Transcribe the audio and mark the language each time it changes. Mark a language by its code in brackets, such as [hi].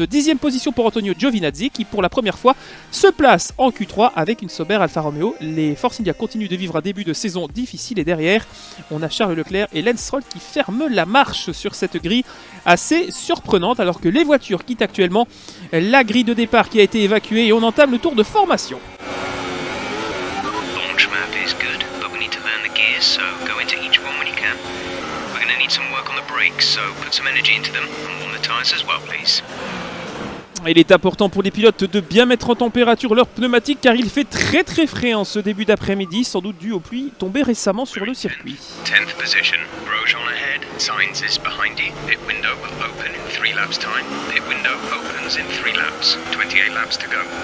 [fr] 10ème position pour Antonio Giovinazzi qui pour la première fois se place en Q3 avec une Sauber Alfa Romeo. Les Force India continuent de vivre un début de saison difficile et derrière, on a Charles Leclerc et Lance Stroll qui ferment la marche sur cette grille assez surprenante alors que les voitures quittent actuellement la grille de départ qui a été évacuée et on entame le tour de formation. [en] Launch map is good, but we need to learn the gears, so go into each one when you can. We're gonna need some work on the brakes, so put some energy into them and warm the tires as well, please. [fr] Il est important pour les pilotes de bien mettre en température leurs pneumatiques car il fait très très frais en ce début d'après-midi, sans doute dû aux pluies tombées récemment sur le circuit. [en] 10th position, Grosjean ahead, Sainz is behind you, pit window will open in 3 laps time, pit window opens in 3 laps, 28 laps to go.